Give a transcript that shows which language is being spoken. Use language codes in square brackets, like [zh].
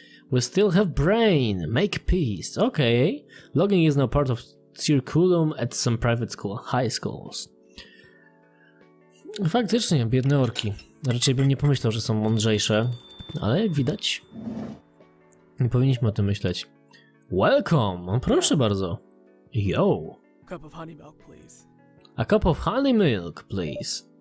[en] We still have brain, make peace. Okay. Logging is now part of curriculum at some private school, high schools. [pl] Faktycznie, biedne orki. Raczej bym nie pomyślał, że są mądrzejsze, ale jak widać... Nie powinniśmy o tym myśleć. [en] Welcome! [pl] Proszę bardzo. Yo! [en] Cup of honey milk, please. A cup of honey milk, please.